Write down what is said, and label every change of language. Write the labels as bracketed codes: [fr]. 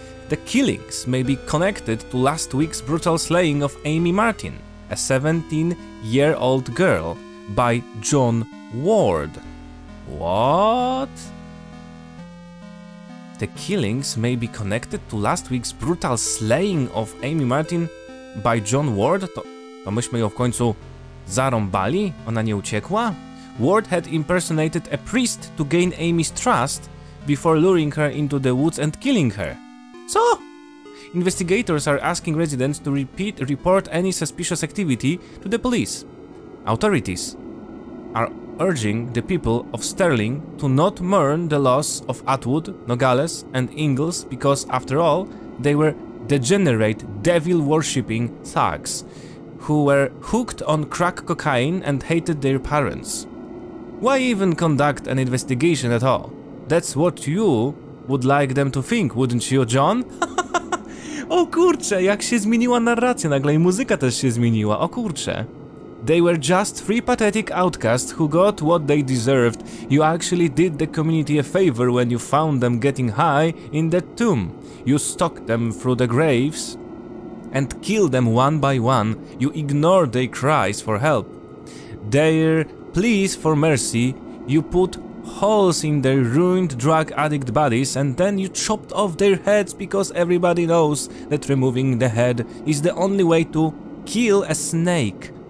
[en] The killings may be connected to last week's brutal slaying of Amy Martin, a 17-year-old girl, by John Ward. What? The killings may be connected to last week's brutal slaying of Amy Martin by John Ward? [pl] To myśmy ją w końcu zarąbali? Ona nie uciekła? [en] Ward had impersonated a priest to gain Amy's trust before luring her into the woods and killing her. [pl] Co? [en] Investigators are asking residents to report any suspicious activity to the police. Authorities are urging the people of Sterling to not mourn the loss of Atwood, Nogales and Ingalls because, after all, they were degenerate, devil-worshipping thugs who were hooked on crack cocaine and hated their parents. Why even conduct an investigation at all? That's what you would like them to think, wouldn't you, John? [pl] O kurcze, jak się zmieniła narracja nagle i muzyka też się zmieniła, o kurcze. [en] They were just three pathetic outcasts who got what they deserved. You actually did the community a favor when you found them getting high in that tomb. You stalked them through the graves and killed them one by one. You ignored their cries for help. Their pleas for mercy, you put holes in their ruined drug addict bodies and then you chopped off their heads because everybody knows that removing the head is the only way to kill a snake.